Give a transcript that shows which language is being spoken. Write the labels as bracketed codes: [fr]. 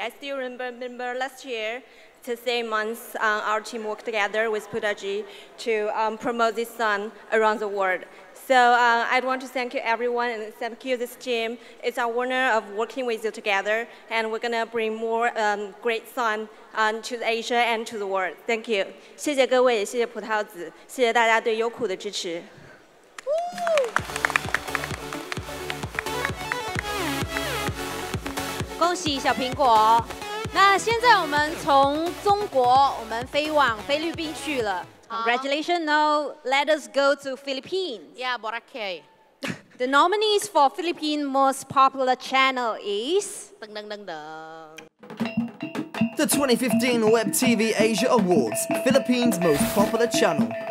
[en] I still remember last year, the same month, our team worked together with Putaji to promote this song around the world. So I'd want to thank you, everyone, and thank you, this team. It's an honor of working with you together, and we're gonna bring more great songto Asia and to the world. Thank you. [zh] 谢谢各位，谢谢葡萄子，谢谢大家对优酷的支持。恭喜小苹果。那现在我们从中国，我们飞往菲律宾去了。 [en] Congratulations. Now let us go to Philippines. Yeah, Boracay. The nominees for Philippine most popular channel is. the 2015 WebTV Asia Awards, Philippines' most popular channel.